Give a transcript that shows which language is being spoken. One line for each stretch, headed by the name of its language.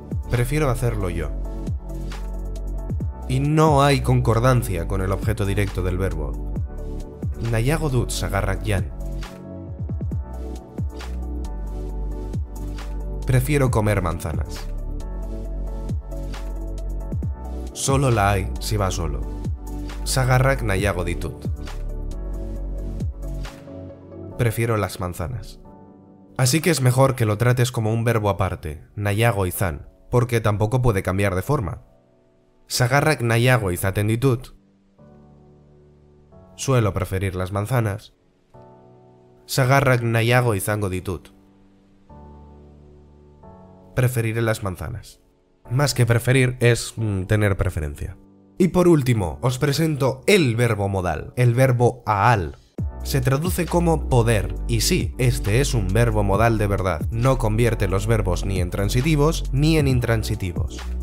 Spanish: Prefiero hacerlo yo. Y no hay concordancia con el objeto directo del verbo.
Basque: Nahiago dut sagarrak jan.
Spanish: Prefiero comer manzanas. Solo la hay si va solo.
Basque: Sagarrak nahiago ditut.
Spanish: Prefiero las manzanas. Así que es mejor que lo trates como un verbo aparte, nahiago izan, porque tampoco puede cambiar de forma.
Basque: Sagarrak nahiago izaten ditut.
Spanish: Suelo preferir las manzanas.
Basque: Sagarrak nahiago izango ditut.
Spanish: Preferiré las manzanas. Más que preferir es tener preferencia. Y por último, os presento el verbo modal, el verbo aal. Se traduce como poder, y sí, este es un verbo modal de verdad. No convierte los verbos ni en transitivos ni en intransitivos.